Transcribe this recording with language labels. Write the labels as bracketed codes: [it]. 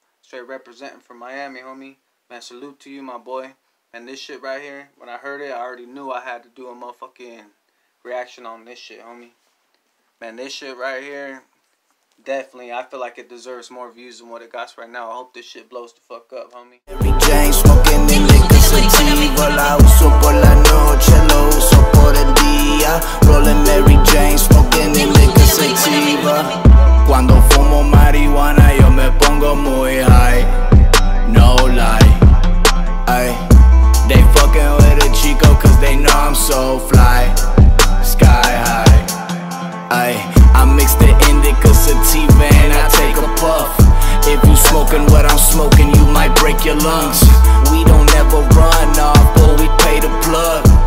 [en] Straight representing for Miami, homie. Man, salute to you, my boy. And this shit right here, when I heard it, I already knew I had to do a motherfucking reaction on this shit, homie. Man, this shit right here, definitely, I feel like it deserves more views than what it got right now. I hope this shit blows the fuck up, homie. Mary Jane smoking in the casativa. [es] La uso por la noche, lo uso por el día. [en] Rolling Mary Jane smoking in the casativa. [es] Cuando fumo marihuana, yo me pongo muy high. [en] No lie, ay. They fucking with a chico, cause they know I'm so fly. Sky high. I mix the indica sativa and I take a puff. If you smoking what I'm smoking, you might break your lungs. We don't ever run off, but we pay the plug.